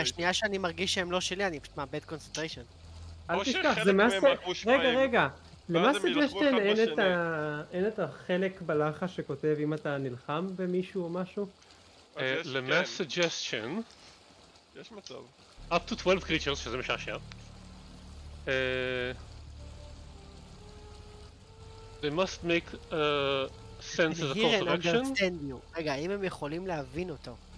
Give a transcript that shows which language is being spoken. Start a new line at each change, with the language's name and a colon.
Hebrew: השנייה שאני מרגיש שהם לא שלי, אני פשוט מאבד קונסנטריישן. אל תשכח, זה מה ש... רגע. למה סגשטיין אין את החלק בלחש שכותב אם אתה נלחם במישהו או משהו? למה סגשטיין? יש מצב.
English: Up to 12 creatures,
Hebrew: שזה משעשע.
English: They must make sense as a course of action.
Hebrew: רגע, האם הם יכולים להבין אותו?